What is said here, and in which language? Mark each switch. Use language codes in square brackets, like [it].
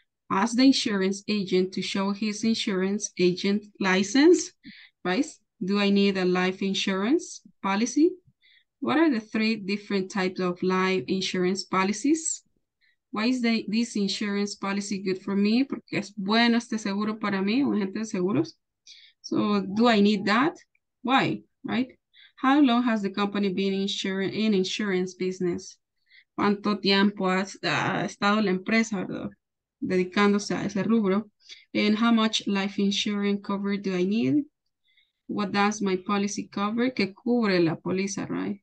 [en] Ask the insurance agent to show his insurance agent license, right? Do I need a life insurance policy? What are the 3 different types of life insurance policies? Why is this insurance policy good for me? [es] Porque es bueno este seguro para mí, o gente de seguros. [en] So do I need that? Why, right? How long has the company been in insurance business? [es] ¿Cuánto tiempo ha estado la empresa, verdad? Dedicándose a ese rubro. [en] And how much life insurance cover do I need? What does my policy cover? [es] ¿Qué cubre la póliza, [en] right?